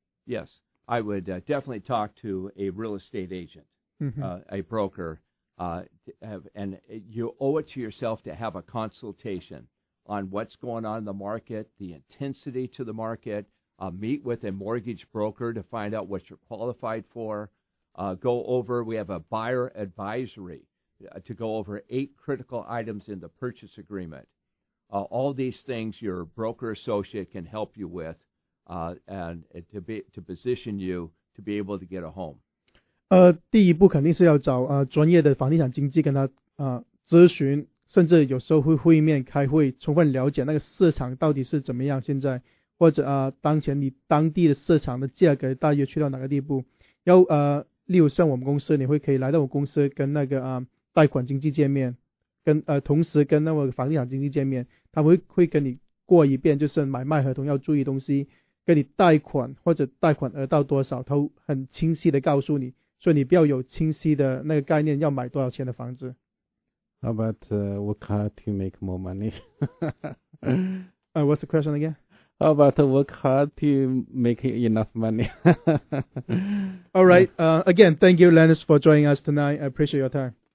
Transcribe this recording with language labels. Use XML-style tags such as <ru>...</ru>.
<en>Yes, I would definitely talk to a real estate agent, a broker, and you owe it to yourself to have a consultation on what's going on in the market, the intensity to the market, meet with a mortgage broker to find out what you're qualified for, go over, we have a buyer advisory to go over 8 critical items in the purchase agreement. All these things your broker associate can help you with and to position you to be able to get a home.</en> <zh>第一步肯定是要找专业的房地产经纪跟他咨询，甚至有时候会会面开会，充分了解那个市场到底是怎么样现在，或者当前你当地的市场的价格大约去到哪个地步。然后例如像我们公司，你会可以来到我公司跟那个贷款经纪见面，跟同时跟那个房地产经纪见面，他会跟你过一遍，就是买卖合同要注意东西，跟你贷款或者贷款额到多少，他很清晰的告诉你，所以你比较有清晰的那个概念要买多少钱的房子。</zh> <en>How about work hard to make more money? What's the question again? How about work hard to make enough money? All right. Again, thank you, Lennis, for joining us tonight. I appreciate your time.</en>